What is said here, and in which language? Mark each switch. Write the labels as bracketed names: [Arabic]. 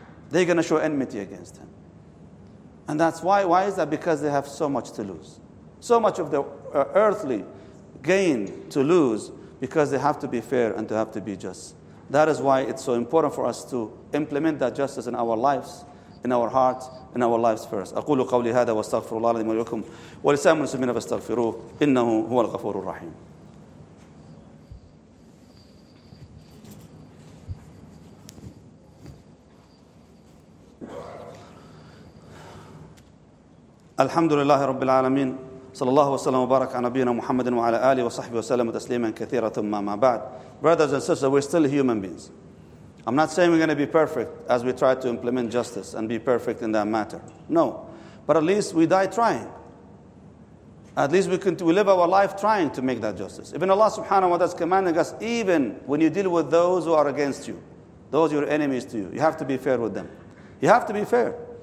[English] They're going to show enmity against him. And that's why. Why is that? Because they have so much to lose. So much of the earthly gain to lose, because they have to be fair and to have to be just. That is why it's so important for us to implement that justice in our lives, in our hearts, in our lives first. [Arabic] أقول قولي هذا واستغفر الله لي ولكم ولسائر المسلمين فاستغفروه إنه هو الغفور الرحيم. الحمد لله رب العالمين صلى الله وسلم وبارك على نبينا محمد وعلى آله وصحبه وسلم تسليما كثيرا ثم ما بعد. [English] Brothers and sisters, we're still human beings. I'm not saying we're going to be perfect as we try to implement justice and be perfect in that matter. No. But at least we die trying. At least we live our life trying to make that justice. Even Allah subhanahu wa ta'ala is commanding us, even when you deal with those who are against you, those your enemies to you, you have to be fair with them. You have to be fair.